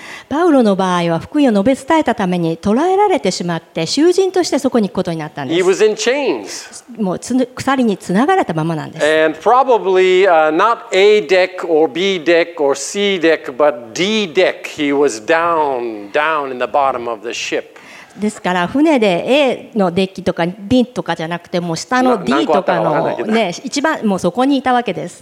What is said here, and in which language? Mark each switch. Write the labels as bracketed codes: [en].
[ja] パウロの場合は福音を述べ伝えたために捕らえられてしまって囚人としてそこに行くことになったんです。 [en] He was in chains. [ja] もう鎖につながれたままなんです。 [en] And probably not A deck or B deck or C deck, but D deck. He was down in the bottom of the ship. [ja] ですから船で A のデッキとか B とかじゃなくて、もう下の D とかのね、一番もうそこにいたわけです。